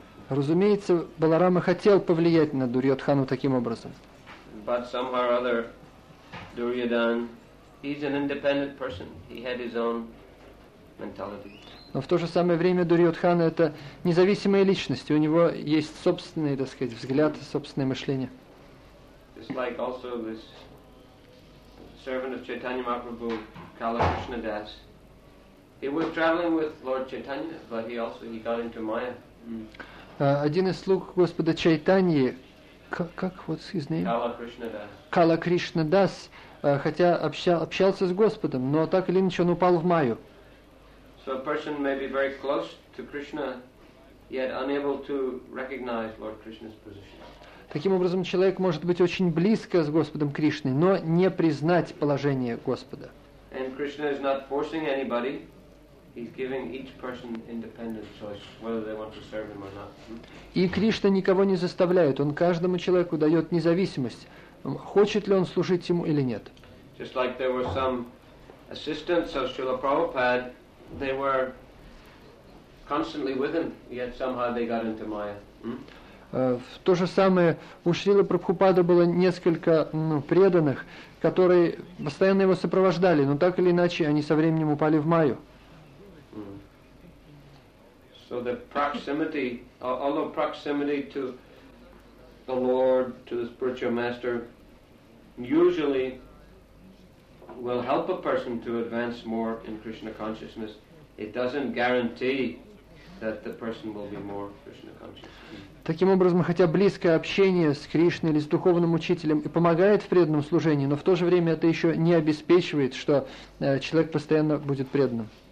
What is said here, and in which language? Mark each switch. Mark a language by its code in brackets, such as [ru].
[ru] Разумеется, Баларама хотел повлиять на Дурьодхану таким образом. [en] But somehow or other, Duryodhana, he's an independent person. He had his own mentality. [ru] Но в то же самое время Дурьотхана – это независимая личность. У него есть собственный, так сказать, взгляд, собственное мышление. [en] It's like also this servant of Chaitanya Mahaprabhu, Kala Krishna Das. He was traveling with Lord Chaitanya, but he got into Maya. Mm. [ru] Один из слуг Господа Чайтаньи, как, [en] what's his name? Kala Krishna Das. [ru] Kala Krishna Das, хотя общался с Господом, но так или иначе он упал в Майю. [en] So a person may be very close to Krishna, yet unable to recognize Lord Krishna's position. [ru] Таким образом, человек может быть очень близко с Господом Кришной, но не признать положение Господа. [en] And Krishna is not forcing anybody. He's giving each person independent choice, whether they want to serve him or not. [ru] И Кришна никого не заставляет. Он каждому человеку дает независимость, хочет ли он служить ему или нет. [en] Just like there were some assistants of Srila Prabhupada, they were constantly with him, yet somehow they got into Maya. [ru] То же самое у Шрилы Прабхупады было несколько преданных, которые постоянно его сопровождали, но так или иначе они со временем упали в Майю. [en] So the proximity, although proximity to the Lord, to the spiritual master, usually will help a person to advance more in Krishna consciousness, it doesn't guarantee that the person will be more Krishna conscious. [ru] Таким образом, хотя близкое общение с Кришной или с духовным учителем и помогает в преданном служении, но в то же время это еще не обеспечивает, что человек постоянно будет преданным.